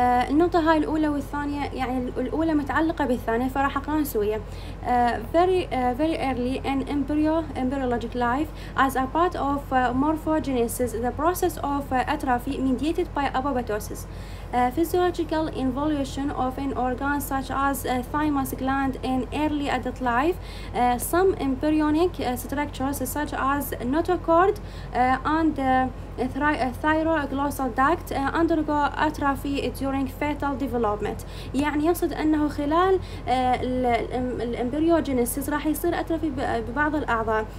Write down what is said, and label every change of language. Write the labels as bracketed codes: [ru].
[ar] النقطة هاي الأولى والثانية، يعني الأولى متعلقة بالثانية، فراح أقرأها سوية. [en] Very early in embryologic life as a part of morphogenesis the process of atrophy mediated by apoptosis. Physiological involution of an organ such as thymus gland in early adult life. Some embryonic structures such as notochord and thyroglossal duct undergo atrophy during fetal development. [ar] يعني يقصد أنه خلال الامبريوجينيسيس راح يصير أترافي ببعض الأعضاء.